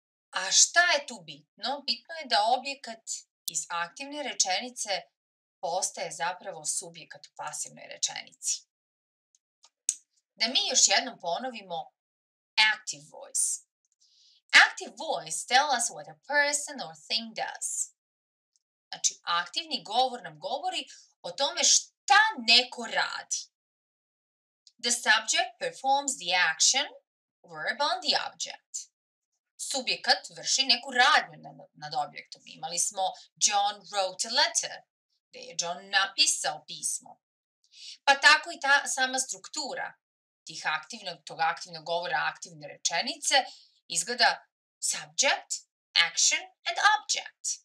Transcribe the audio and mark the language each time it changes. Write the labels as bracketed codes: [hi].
[sr] A šta je tu bitno? Bitno je da objekat iz aktivne rečenice postaje zapravo subjekat u pasivnoj rečenici. Da mi još jednom ponovimo active voice. [en] Active voice tells us what a person or thing does. [sr] Znači, aktivni govor nam govori o tome šta neko radi. [en] The subject performs the action, verb on the object. [sr] Subjekat vrši neku radnju nad objektom. Imali smo [en] John wrote a letter, [sr] gde je John napisao pismo. Pa tako i ta sama struktura tih aktivnog, tog aktivnog govora, aktivne rečenice, izgleda [en] subject, action, and object.